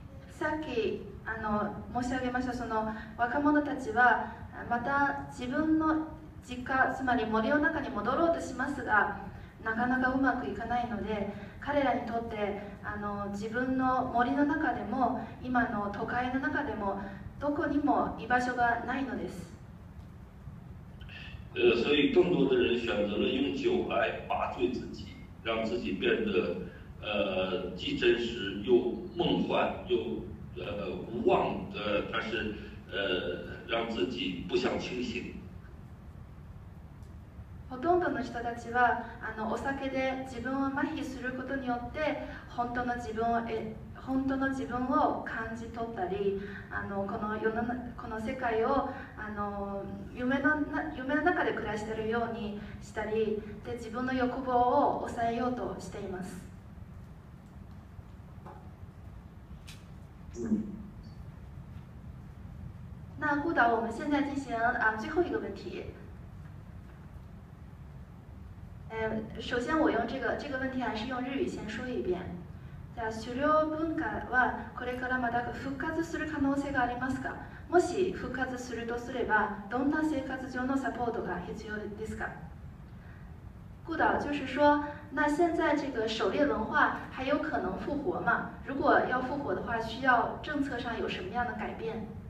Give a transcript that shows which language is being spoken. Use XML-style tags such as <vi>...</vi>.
<ja>さっき申し上げました、その若者たちはまた自分の実家、つまり森の中に戻ろうとしますが、なかなかうまくいかないので、彼らにとって自分の森の中でも今の都会の中でもどこにも居場所がないのです。</ja> <zh>所以更多的人选择了用酒来麻醉自己，让自己变得既真实又梦幻又无望的，但是让自己不想清醒。</zh> <ja>ほとんどの人たちはお酒で自分を麻痺することによって本当の自分を感じ取ったり、この世界を夢の中で暮らしているようにしたり、で自分の欲望を抑えようとしています。</ja> <zh>那顾导，我们现在进行最后一个问题。首先我用这个问题还是用日语先说一遍。</zh> <ja>じゃあ狩猟文化はこれからまた復活する可能性がありますか？もし復活するとすれば、どんな生活上のサポートが必要ですか？</ja> <zh>顾导就是说，那现在这个狩猎文化还有可能复活吗？如果要复活的话，需要政策上有什么样的改变？</zh>